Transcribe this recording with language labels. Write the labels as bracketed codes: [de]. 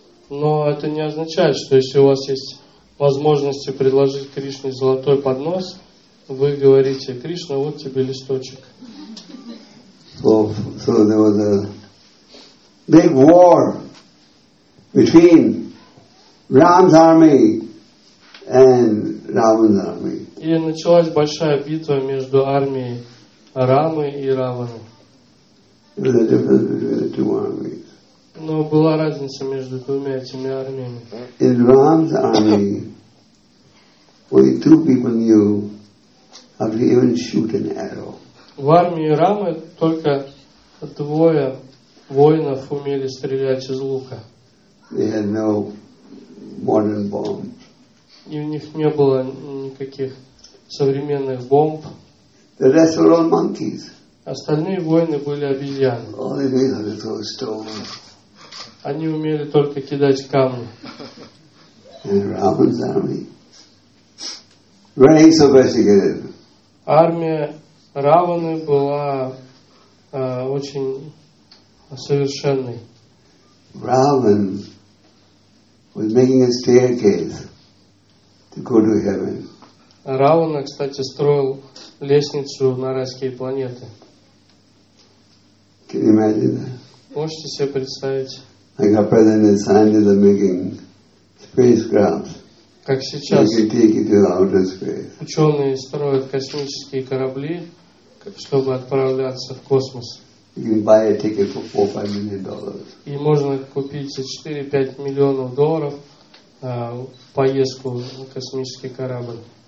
[ru] Но это не означает, что если у вас есть возможность предложить Кришне золотой поднос, вы говорите: Кришна, вот тебе листочек. [en] So there was a big war between Ram's army and Ravana's army. [ru] И началась большая битва между армией Рамы и Раваны. [en] The difference between the two armies. [ru] Но была разница между двумя этими армиями. [en] In Ram's army, only two people knew how to even shoot an arrow. [ru] В армии Рамы только двое воинов умели стрелять из лука. [en] They had no modern bombs. [ru] И у них не было никаких современных бомб. [en] The rest were all monkeys. [ru] Остальные воины были обезьяны. [en] All they did was throw stones. [ru] Они умели только кидать камни. [en] Ravana's army. Very sophisticated. [ru] Армия Раваны была очень совершенной. [en] Ravan was making a staircase to go to heaven. [ru] Равана, кстати, строил лестницу на райские планеты. [en] Can you imagine that? [ru] Можете себе представить? [en] Like a present is signed in the making spacecraft. [ru] Как сейчас ученые строят космические корабли, чтобы отправляться в космос. You can buy a ticket for $4-5 million. И можно купить за 4-5 миллионов долларов поездку на космический корабль.